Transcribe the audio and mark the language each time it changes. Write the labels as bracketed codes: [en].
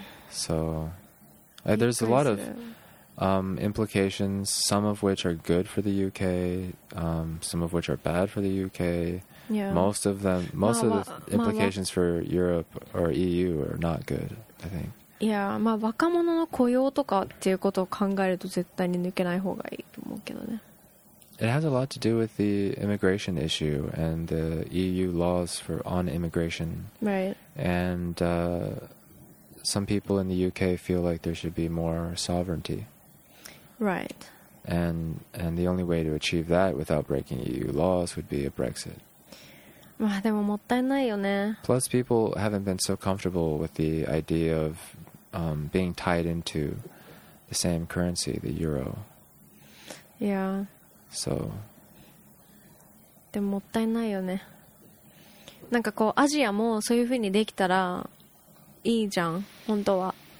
[en] So there's a lot of implications, some of which are good for the UK, some of which are bad for the UK. Yeah. Most of the implications for Europe or EU are not good, I think. [ja] Yeah, まあ若者の雇用とかっていうことを考えると絶対に抜けない方がいいと思うけどね。 [en] It has a lot to do with the immigration issue and the EU laws on immigration. Right. And some people in the UK feel like there should be more sovereignty. Right. And the only way to achieve that without breaking EU laws would be a Brexit. [ja] まあでももったいないよね。 [en] Plus people haven't been so comfortable with the idea of being tied into the same currency, the euro. Yeah. So. [ja] でももったいないよね。なんかこうアジアもそういうふうにできたらいいじゃん、本当は。